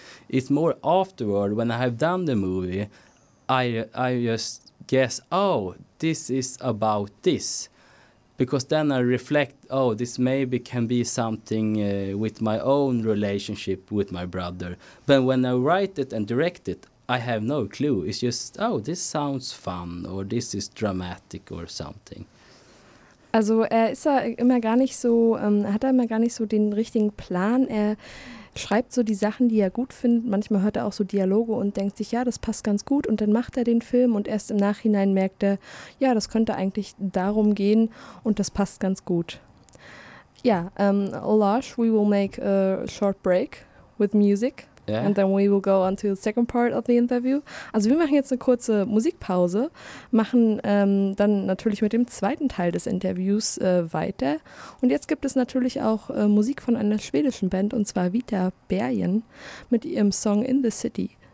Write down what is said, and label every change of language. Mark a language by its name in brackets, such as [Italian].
[English] It's more afterward, when I have done the movie, I just guess, oh, this is about this. Because then I reflect, oh, this maybe can be something with my own relationship with my brother. But when I write it and direct it, I have no clue. It's just, oh, this sounds fun or this is dramatic or something. [German] Also er ist ja immer gar nicht so, hat er immer gar nicht so den richtigen Plan. Er schreibt so die Sachen, die er gut findet. Manchmal hört er auch so Dialoge und denkt sich, ja, das passt ganz gut. Und dann macht er den Film und erst im Nachhinein merkt er, ja, das könnte eigentlich darum gehen und das passt ganz gut. [English] Ja, Lars, we will make a short break with music. Yeah. And then we will go on to the second part of the interview. [German] Also wir machen jetzt eine kurze Musikpause, machen dann natürlich mit dem zweiten Teil des Interviews weiter. Und jetzt gibt es natürlich auch Musik von einer schwedischen Band, und zwar Vita Bergen mit ihrem Song In the City.